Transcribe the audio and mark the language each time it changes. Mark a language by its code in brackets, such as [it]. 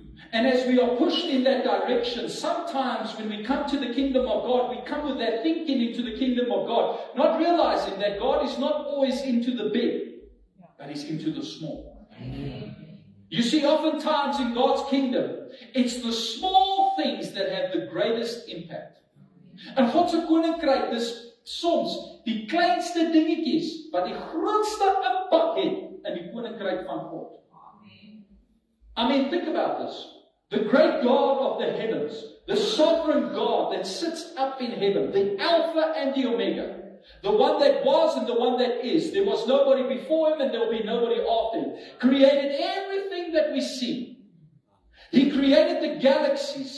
[en] And as we are pushed in that direction, sometimes when we come to the kingdom of God, we come with that thinking into the kingdom of God, not realizing that God is not always into the big, but He's into the small. You see, oftentimes in God's kingdom, it's the small things that have the greatest impact. [af] And God se koninkryk is soms die kleinste dingetjies wat die grootste impak het in die koninkryk van God. [en] I mean, think about this. The great God of the heavens, the sovereign God that sits up in heaven, the Alpha and the Omega, the one that was and the one that is. There was nobody before Him and there will be nobody after Him. Created everything that we see. He created the galaxies.